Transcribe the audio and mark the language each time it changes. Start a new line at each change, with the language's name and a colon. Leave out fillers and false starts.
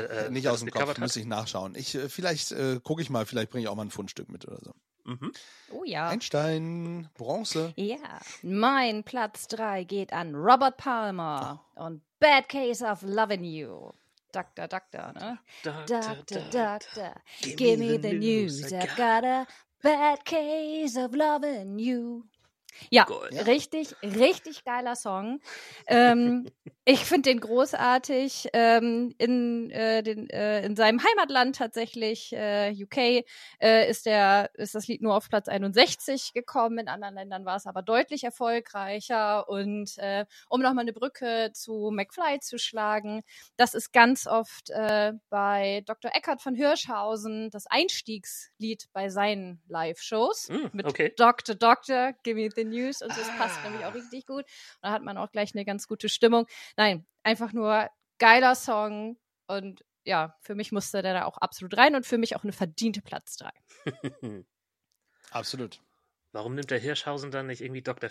German: nicht aus dem Kopf, muss ich nachschauen. Vielleicht gucke ich mal, vielleicht bringe ich auch mal ein Fundstück mit oder so. Oh ja. Einstein, Bronze. Ja, mein Platz 3 geht an Robert Palmer und Bad Case of Loving You.
English: Doctor, Doctor, ne? Doctor. Give me the news. I've got a bad case of loving you.
German: Ja, Gold. Richtig, richtig geiler Song. ich finde den großartig. In seinem Heimatland tatsächlich, UK, ist das Lied nur auf Platz 61 gekommen. In anderen Ländern war es aber deutlich erfolgreicher. Und um nochmal eine Brücke zu McFly zu schlagen, das ist ganz oft bei Dr. Eckart von Hirschhausen das Einstiegslied bei seinen Live-Shows.
English: Doctor, Doctor, give me the news.
German: Und das passt nämlich auch richtig gut. Und da hat man auch gleich eine ganz gute Stimmung. Nein, einfach nur geiler Song. Und ja, für mich musste der da auch absolut rein und für mich auch eine verdiente Platz 3. Absolut. Warum nimmt der Hirschhausen dann nicht irgendwie Dr.